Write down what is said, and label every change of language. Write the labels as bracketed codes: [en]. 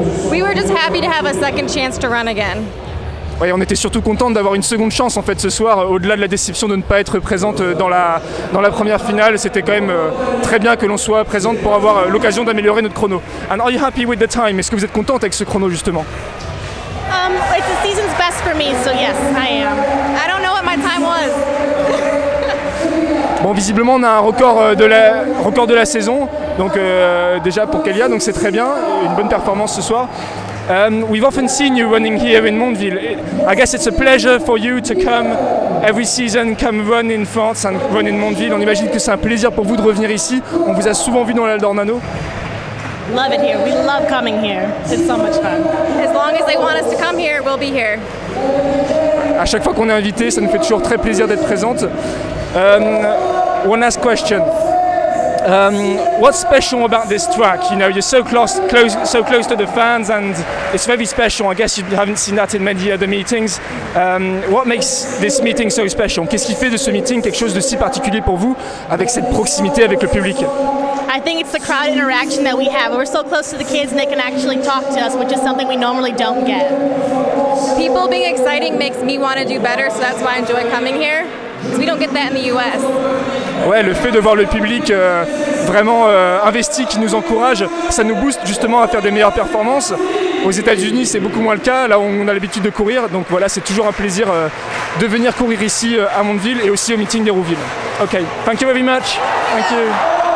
[en] We were just happy to have a second chance to run again. [fr] Ouais, on était surtout contente d'avoir une seconde chance en fait ce soir, au-delà de la déception de ne pas être présente dans la première finale. C'était quand même très bien que l'on soit présente pour avoir l'occasion d'améliorer notre chrono. [en] And are you happy with the time? [fr] Est-ce que vous êtes contente avec ce chrono justement? [en] It's the season's best for me, so yes, I am. I don't know what my time was. [fr] Bon, visiblement, on a un record de la saison, donc déjà pour Kélia, donc c'est très bien, une bonne performance ce soir. [en] We've often seen you running here in Mondeville. I guess it's a pleasure for you to come every season, come run in France and run in Mondeville. [fr] On imagine que c'est un plaisir pour vous de revenir ici. On vous a souvent vu dans l'Al d'Ornano. [en] Love it here. We love coming here. It's so much fun. As long as they want us to come here, we'll be here. [fr] À chaque fois qu'on est invité, ça nous fait toujours très plaisir d'être présente. [en] One last question. What's special about this track? You know, you're so close to the fans, and it's very special. I guess you haven't seen that in many other meetings. What makes this meeting so special? [fr] Qu'est-ce qui fait de ce meeting quelque chose de si particulier pour vous, avec cette proximité avec le public? [en] I think it's the crowd interaction that we have. We're so close to the kids, and they can actually talk to us, which is something we normally don't get. People being exciting makes me want to do better, so that's why I enjoy coming here. We don't get that in the US. [fr] Ouais, le fait de voir le public vraiment investi, qui nous encourage, ça nous booste justement à faire des meilleures performances. Aux États-Unis, c'est beaucoup moins le cas, là on a l'habitude de courir, donc voilà, c'est toujours un plaisir de venir courir ici à Mondeville et aussi au meeting d'Hérouville. [en] Ok, thank you very much. Thank you.